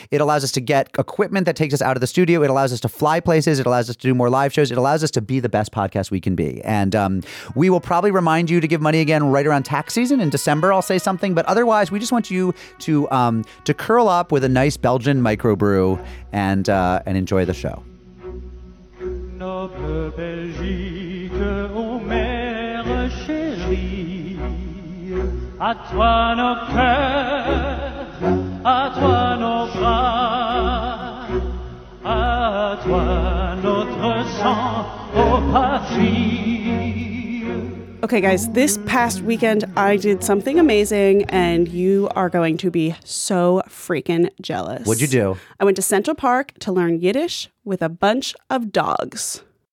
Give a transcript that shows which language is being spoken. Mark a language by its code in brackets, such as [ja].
[en] It allows us to get equipment that takes us out of the studio. It allows us to fly places. It allows us to do more live shows. It allows us to be the best podcast we can be. And we will probably remind you to give money again right around tax season in December. I'll say something. But otherwise, we just want you to curl up with a nice Belgian microbrew and enjoy the show. [fr] Noble Belgique, ô mère chérie, à toi nos cœurs, à toi nos bras, à toi notre sang, ô patrie. [en] Okay, guys, this past weekend, I did something amazing, and you are going to be so freaking jealous. What'd you do? I went to Central Park to learn Yiddish with a bunch of dogs.